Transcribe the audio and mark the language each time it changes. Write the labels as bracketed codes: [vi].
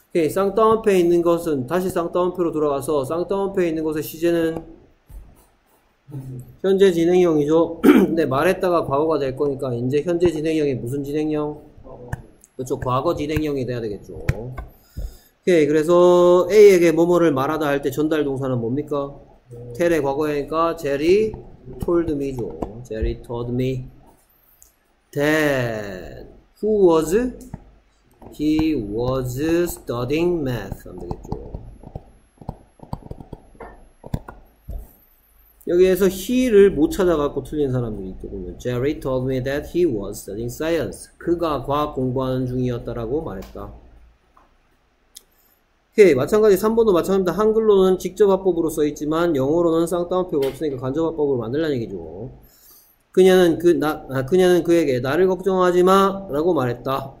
[ko] 쌍따옴표에 있는 것은 다시 쌍따옴표로 돌아가서 쌍따옴표에 있는 것의 시제는 현재 진행형이죠. 근데 말했다가 과거가 될 거니까 이제 현재 진행형이 무슨 진행형? 그렇죠. 과거 진행형이 돼야 되겠죠. 오케이. 그래서 A에게 뭐뭐를 말하다 할 때 전달 동사는 뭡니까? [en] Tell의 [ko] 과거형이니까 [en] Jerry told me죠. Jerry told me that who was he was studying math [ko] 하면 되겠죠. 여기에서 he를 못 찾아갖고 틀린 사람들이 있더군요. [en] Jerry told me that he was studying science. [ko] 그가 과학 공부하는 중이었다라고 말했다. 오케이. 마찬가지 3번도 마찬가지입니다. 한글로는 직접 화법으로 써있지만 영어로는 쌍따옴표가 없으니까 간접 화법으로 만들라는 얘기죠. 그녀는 그에게 나를 걱정하지 마 라고 말했다.